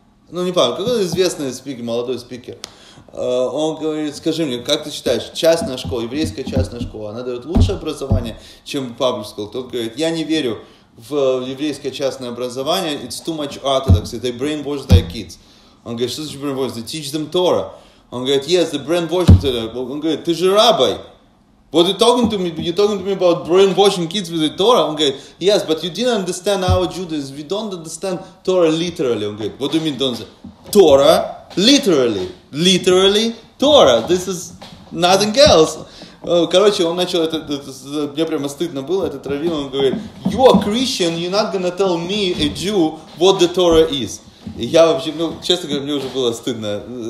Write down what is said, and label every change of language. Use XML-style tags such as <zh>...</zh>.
<ru>ну, не помню, какой-то известный спикер, молодой спикер. Он говорит, скажи мне, как ты считаешь, частная школа, еврейская частная школа, она дает лучшее образование, чем public school? Тот говорит, я не верю в еврейское частное образование,</ru> <en>it's too much orthodox, they brainwash their kids.</en> <ru>Он говорит, что значит brainwash?</ru> <en>They teach them Torah.</en> <ru>Он говорит,</ru> <en>yes, they brainwash them.</en> <ru>Он говорит, ты же раббай.</ru> <en>What are you talking to me? You're talking to me about brainwashing kids with the Torah?</en> <ru>Он говорит,</ru> <en>yes, but you didn't understand our Judaism. We don't understand Torah literally.</en> <ru>Он говорит,</ru> <en>what do you mean don't understand? Torah literally. Literally Torah. This is nothing else.</en> <ru>Короче, он начал это, мне прямо стыдно было, этот раввин, он говорит,</ru> <en>you are Christian, you're not gonna tell me, a Jew, what the Torah is.</en> <ru>И я вообще, ну, честно говоря, мне уже было стыдно.</ru>